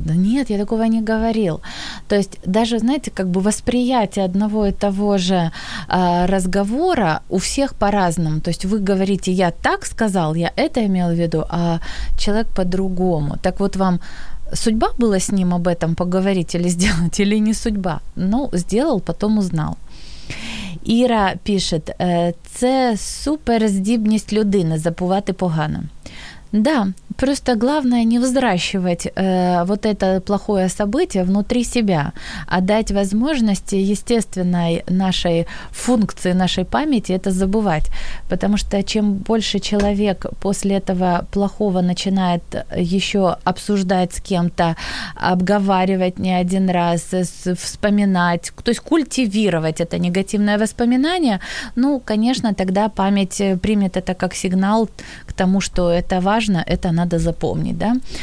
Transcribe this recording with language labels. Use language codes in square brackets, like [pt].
[ru] Да нет, я такого не говорил. То есть даже, знаете, как бы восприятие одного и того же разговора у всех по-разному. То есть вы говорите, я так сказал, я это имел в виду, а человек по-другому. Так вот вам судьба была с ним об этом поговорить или сделать, или не судьба? Ну, сделал, потом узнал. [uk] Іра пише, це суперздібність людини забувати погано. [ru] Да, просто главное не взращивать вот это плохое событие внутри себя, а дать возможности естественной нашей функции, нашей памяти это забывать. Потому что чем больше человек после этого плохого начинает еще обсуждать с кем-то, обговаривать не один раз, вспоминать, то есть культивировать это негативное воспоминание, ну, конечно, тогда память примет это как сигнал к тому, что это важно, это надо запомнить, да?